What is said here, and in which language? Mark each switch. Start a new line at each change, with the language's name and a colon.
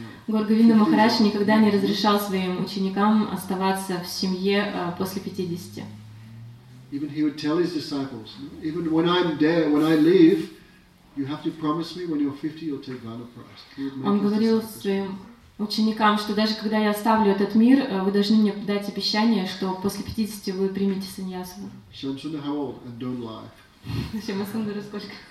Russian: Горгавинда Махарадж никогда не разрешал своим ученикам оставаться в семье после 50.
English: Even he would tell his disciples, even when I'm dead, when I leave, you have to promise me when you're 50, you'll take vanaprasth.
Russian: Он говорил своим ученикам, что даже когда я оставлю этот мир, вы должны мне дать обещание, что после 50 вы примете саньясу.
English: Шамсуна, how old? And don't lie.
Russian: Зачем Асандара сколько?